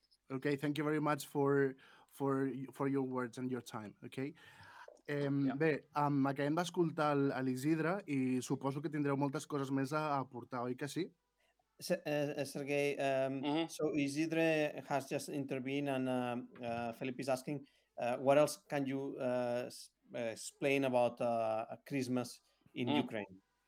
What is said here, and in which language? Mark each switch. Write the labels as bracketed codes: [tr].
[en] Okay, thank you very much for your words and your time, okay? [ca] Acabem d'escoltar l'Isidre i suposo que tindreu moltes coses més a aportar, oi que sí? [en] Serguei, so Isidre has just intervened and Felip is asking what else can you explain about Christmas in Ukraine?